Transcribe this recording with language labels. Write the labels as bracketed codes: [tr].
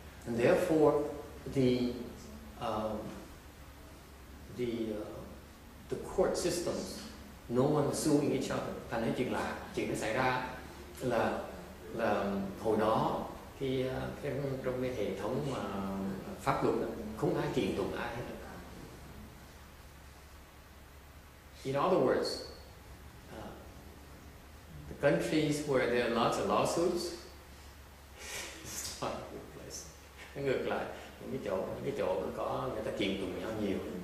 [en] And therefore the court system, no one suing each other. [vi] Thành ra chuyện xảy ra là hồi đó cái trong cái hệ thống mà pháp luật không ai kiện tụng ai hết. [en] In other words, the countries where there are lots of lawsuits, it's not a good place. [vi] Nói ngược lại, những cái chỗ có người ta kiện tụng nhau nhiều.